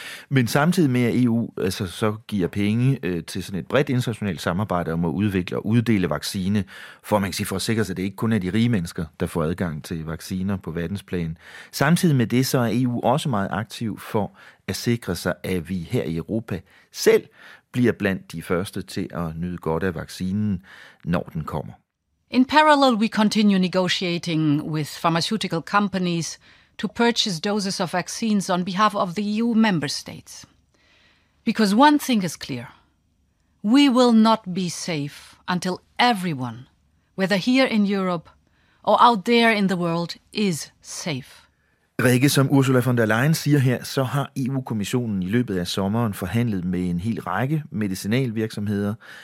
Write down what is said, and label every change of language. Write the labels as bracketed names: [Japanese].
[Danish] Men samtidig med, at EU så giver penge til sådan et bredt internationalt samarbejde om at udvikle og uddele vaccine, for man kan sige, for at sikre sig, at det ikke kun er de rige mennesker, der får adgang til vacciner på verdensplan. Samtidig med det, så er EU også meget aktiv for at sikre sig, at vi her i Europa selv bliver blandt de første til at nyde godt af vaccinen, når den kommer. [English] In parallel, we continue negotiating with pharmaceutical companies to purchase doses of vaccines on behalf of the EU member states. Because one thing is clear, we will not be safe until everyone, whether here in Europe or out there in the world, is safe. [Danish] Rikke, som Ursula von der Leyen siger her, så har EU-kommissionen i løbet af sommeren forhandlet med en hel række medicinalvirksomheder.